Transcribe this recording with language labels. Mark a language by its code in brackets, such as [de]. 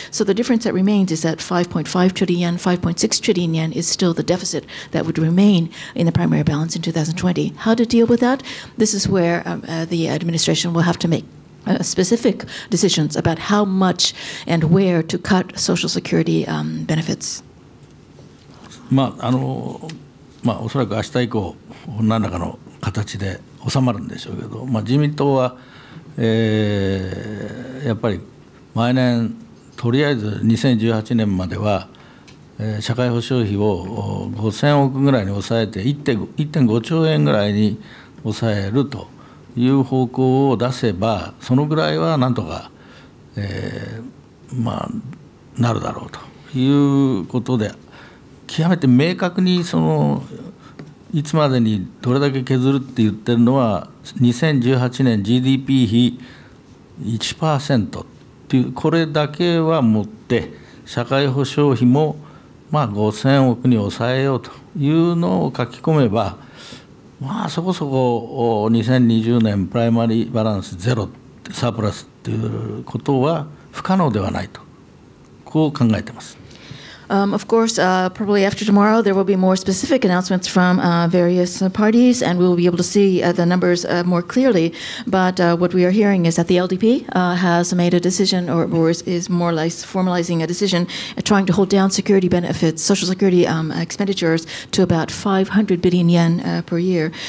[en] So the difference that remains is that 5.5 trillion yen, 5.6 trillion yen is still the deficit that would remain in the primary balance in 2020. How to deal with that? This is where the administration will have to make specific decisions about how much and where to cut Social Security benefits. [ja] おそらく明日以降何らかの形で収まるんでしょうけど、自民党は、やっぱり毎年とりあえず2018年までは、社会保障費を5000億ぐらいに抑えて 1.5兆円ぐらいに抑えるという方向を出せば、そのぐらいはなんとか、なるだろうということで、極めて明確にそのいつまでにどれだけ削るって言ってるのは、2018年 GDP 比 1% っていう、これだけは持って社会保障費も5000億に抑えようというのを書き込めば、そこそこ2020年プライマリーバランスゼロサープラスということは不可能ではないと、こう考えてます。 [en] Of course, probably after tomorrow, there will be more specific announcements from various parties, and we'll be able to see the numbers more clearly. But what we are hearing is that the LDP has made a decision, or is more or less formalizing a decision, trying to hold down security benefits, social security expenditures, to about 500 billion yen per year.